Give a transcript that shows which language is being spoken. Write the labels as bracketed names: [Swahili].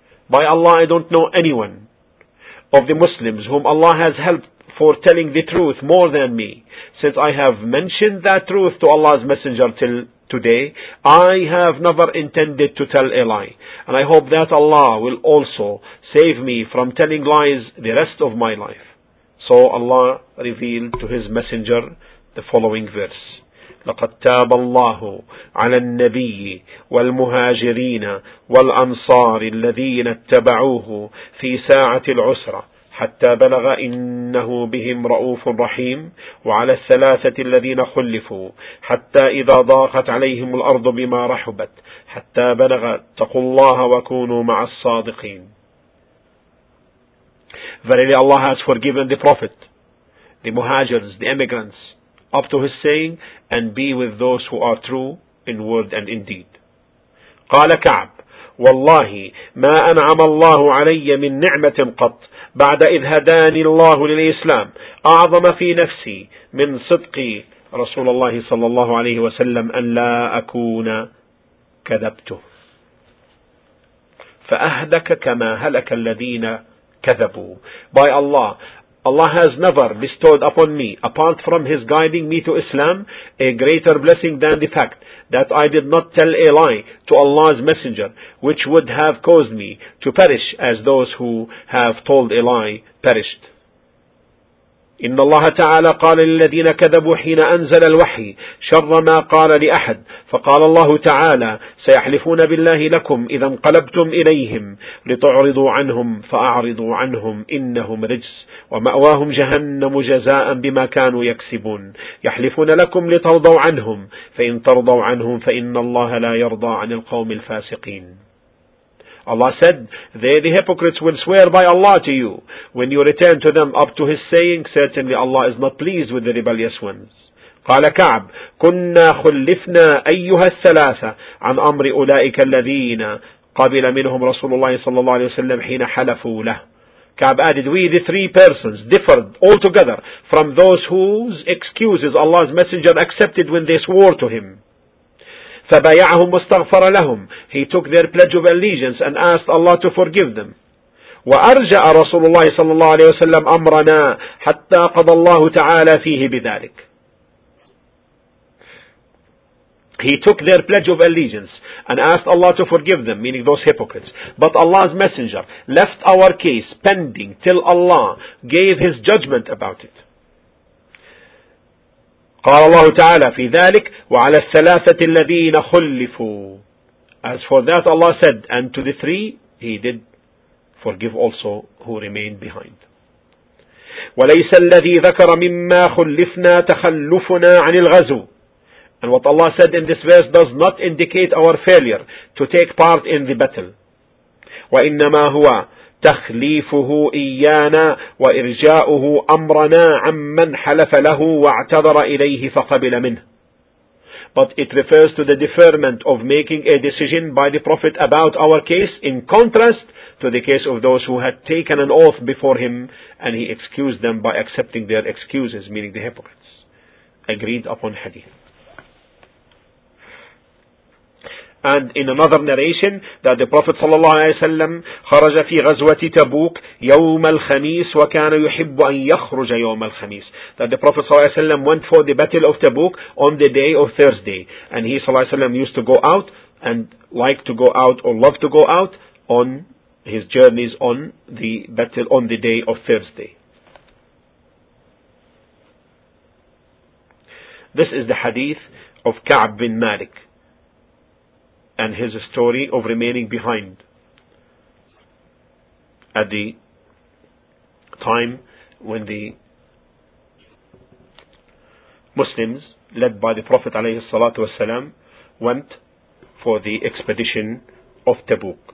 [English] By Allah, I don't know anyone of the Muslims whom Allah has helped foretelling the truth more than me, since I have mentioned that truth to Allah's Messenger till today. I have never intended to tell a lie. And I hope that Allah will also save me from telling lies the rest of my life. So Allah revealed to His Messenger the following verse. [Arabic] لقد تاب الله على النبي والمهاجرين والأنصار الذين اتبعوه في ساعة العسرة حتى بلغ إنه بهم رؤوف رحيم وعلى الثلاثة الذين خلفوا حتى إذا ضاقت عليهم الأرض بما رحبت حتى بلغ اتقوا الله وكونوا مع الصادقين. [English] Verily Allah has forgiven the Prophet, the Muhajirs, the emigrants, up to his saying, and be with those who are true in word and in deed. [Arabic] قال كعب والله ما أنعم الله علي من نعمة قط بعد إذ هداني الله للإسلام أعظم في نفسي من صدقي رسول الله صلى الله عليه وسلم أن لا أكون كذبته فأهدك كما هلك الذين كذبوا. [English] By Allah, Allah has never bestowed upon me, apart from His guiding me to Islam, a greater blessing than the fact that I did not tell a lie to Allah's Messenger, which would have caused me to perish as those who have told a lie perished. [Arabic] إن الله تعالى قال للذين كذبوا حين أنزل الوحي شر ما قال لأحد فقال الله تعالى سيحلفون بالله لكم إذا انقلبتم إليهم لتعرضوا عنهم فأعرضوا عنهم إنهم رجس ومأواهم جهنم جزاء بما كانوا يكسبون يحلفون لكم لترضوا عنهم فإن ترضوا عنهم فإن الله لا يرضى عن القوم الفاسقين. [English] Allah said, they, the hypocrites, will swear by Allah to you when you return to them up to His saying, certainly Allah is not pleased with the rebellious ones. [Arabic] قال كعب كنا خلفنا أيها الثلاثة عن أمر أولئك الذين قبل منهم رسول الله صلى الله عليه وسلم حين حلفوا له. [English] كعب added, we the three persons differed altogether from those whose excuses Allah's Messenger accepted when they swore to Him. [Arabic] فبايعهم واستغفر لهم. [English] He took their pledge of allegiance and asked Allah to forgive them. [Arabic] وأرجأ رسول الله صلى الله عليه وسلم أمرنا حتى قضى الله تعالى فيه بذلك. [English] He took their pledge of allegiance and asked Allah to forgive them, meaning those hypocrites. But Allah's Messenger left our case pending till Allah gave His judgment about it. [Arabic] قال الله تعالى في ذلك وعلى الثلاثة الذين خلفوا. [English] As for that Allah said, and to the three He did forgive also who remained behind. [Arabic] وليس الذي ذكر مما خلفنا تخلفنا عن الغزو. [English] And what Allah said in this verse does not indicate our failure to take part in the battle. [Arabic] وإنما هو تخليفه إيانا وإرجاؤه أمرنا عمن حلف له واعتذر إليه فقبل منه. [English] But it refers to the deferment of making a decision by the Prophet about our case in contrast to the case of those who had taken an oath before him and he excused them by accepting their excuses, meaning the hypocrites. Agreed upon hadith. And in another narration, that the Prophet [Arabic] صلى الله عليه وسلم خرج في غزوة تبوك يوم الخميس وكان يحب أن يخرج يوم الخميس. [English] That the Prophet [Arabic] صلى الله عليه وسلم [English] went for the battle of Tabuk on the day of Thursday. And he [Arabic] صلى الله عليه وسلم [English] used to go out and like to go out or love to go out on his journeys on the battle on the day of Thursday. This is the hadith of Ka'b bin Malik and his story of remaining behind at the time when the Muslims, led by the Prophet alayhi salatu wasalam, went for the expedition of Tabuk.